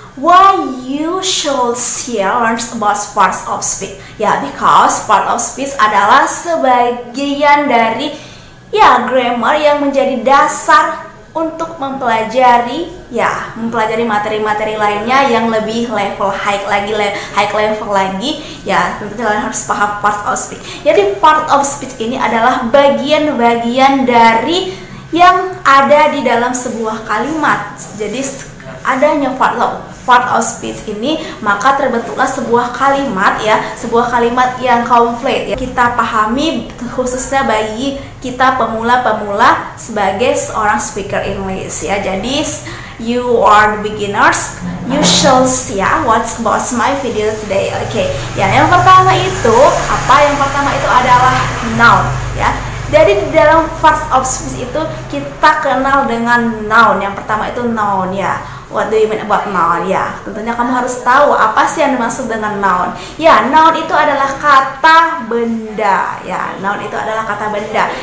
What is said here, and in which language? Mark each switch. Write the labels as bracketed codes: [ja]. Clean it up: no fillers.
[en] Why you should here learn about parts of speech? [id] Ya, because part of speech adalah sebagian dari ya, grammar yang menjadi dasar untuk mempelajari, ya, mempelajari materi-materi lainnya yang lebih level high lagi, high level lagi, ya, tentunya kalian harus paham part of speech. Jadi, part of speech ini adalah bagian-bagian dari yang ada di dalam sebuah kalimat. Jadi, adanya part of speech ini, maka terbentuklah sebuah kalimat, ya, sebuah kalimat yang komplit, ya, kita pahami khususnya bagi kita pemula-pemula sebagai seorang speaker English, ya. [en] Jadi you are the beginners, you shall see, ya, what's about my video today. [id] Oke, okay. Ya, yang pertama itu apa? Yang pertama itu adalah noun, ya. Jadi di dalam parts of speech itu kita kenal dengan noun. Yang pertama itu noun, ya. [en] What do you mean about noun? [id] Ya, tentunya kamu harus tahu apa sih yang dimaksud dengan noun. Ya, noun itu adalah kata benda. Ya, noun itu adalah kata benda.